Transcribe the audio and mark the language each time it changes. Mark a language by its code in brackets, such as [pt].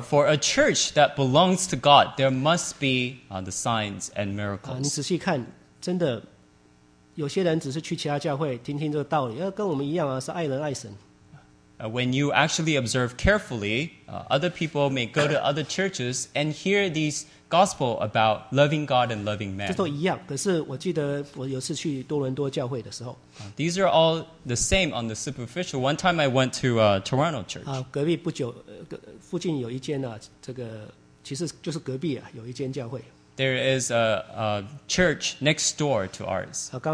[en] for a church that belongs to God, there must be the signs and miracles. [zh] 你仔细看。真的，有些人只是去其他教会听听这个道理，跟我们一样是爱人爱神。 [en] When you actually observe carefully, other people may go to other churches and hear these gospel about loving God and loving man. [zh] 这都一样，可是我记得我有次去多伦多教会的时候。 [en] These are all the same on the superficial. One time I went to a Toronto church. [zh] 隔壁不久，附近有一间，其实就是隔壁，有一间教会。 [en] There is a church next door to ours.